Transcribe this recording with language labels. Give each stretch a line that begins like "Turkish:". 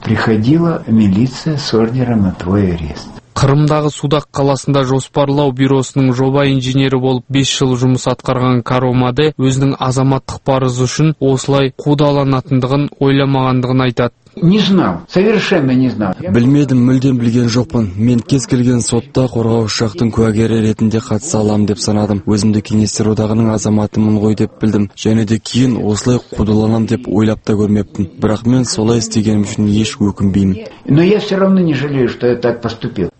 Russian: Приходила милиция с ордером на твой арест.
Kazakh: Қырымдағы Судак қаласында жоспарлау бюросының жоба инженері болып 5 жыл жұмыс атқарған Каромаде өзінің азаматтық парызы үшін осылай қудаланатындығын ойламағандығын айтады.
Russian: Не знал, совершенно не знал.
Kazakh: Білмедім, мүлдем білген жоқпын. Мен кез келген сотта қорғаушы жақтың куәгері ретінде қатыса аламын деп санадым. Өзімді Кеңестер одағының азаматымын ғой деп білдім. Және де кейін осылай қудаланам деп ойлап та көрмеппін. Бірақ мен солай істегенім үшін еш өкінбеймін.
Russian: Но я все равно не жалею, что я так поступил.